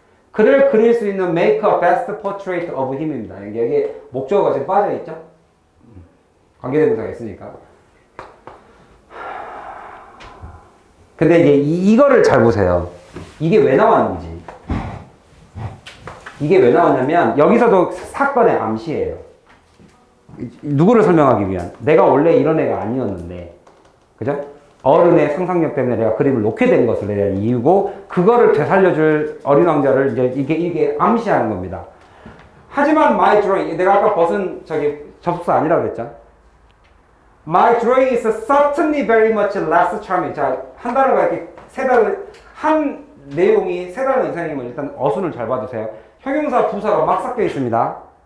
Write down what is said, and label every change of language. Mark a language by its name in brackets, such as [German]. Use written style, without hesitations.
[Korean] 그를 그릴 수 있는 [English] make a best portrait of him입니다. [Korean] 여기 목적어가 지금 빠져있죠? 관계대명사가 있으니까. 근데 이제 이거를 잘 보세요. 이게 왜 나왔는지. 이게 왜 나왔냐면 여기서도 사건의 암시예요. 누구를 설명하기 위한. 내가 원래 이런 애가 아니었는데. 그죠? 어른의 상상력 때문에 내가 그림을 놓게 된 것을 대한 이유고, 그거를 되살려줄 어린 왕자를 이제 이게 암시하는 겁니다. 하지만 [English] my drawing, [Korean] 내가 아까 벗은 저기 접속사 아니라고 그랬죠? [English] My drawing is certainly very much less charming. [Korean] 자, 한 단어가 이렇게 세 단어, 한 내용이 세 단어 이상이면 일단 어순을 잘 봐주세요. 형용사 부사가 막 섞여 있습니다.